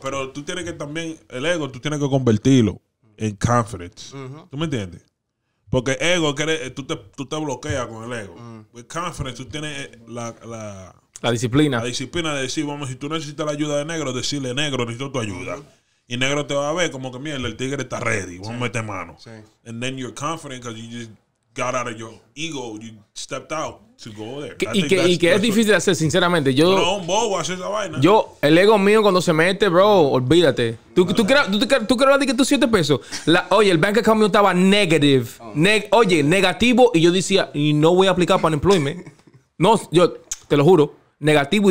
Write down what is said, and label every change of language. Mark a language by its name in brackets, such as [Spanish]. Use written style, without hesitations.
[Spanish] Pero tú tienes que también... El ego, tú tienes que convertirlo en confidence. Uh-huh. ¿Tú me entiendes? Porque ego, tú te bloqueas con el ego. Uh-huh. [English] With confidence, [Spanish] tú tienes la disciplina. La disciplina de decir, vamos, si tú necesitas la ayuda de negro, decirle, negro, necesito tu ayuda. Uh-huh. Y negro te va a ver como que, mierda, el tigre está ready. Vamos a meter mano. Sí. [English] And then you're confident because you just got out of your ego. You stepped out to go there. [Spanish] Y que es difícil hacer, sinceramente. Yo, pero un bobo hace esa vaina. Yo, el ego mío cuando se mete, bro, olvídate. ¿Tú crees que tú 7 pesos? Oye, el bank account mío estaba negative. Negativo. Y yo decía, y no voy a aplicar para unemployment. No, yo te lo juro. Negativo.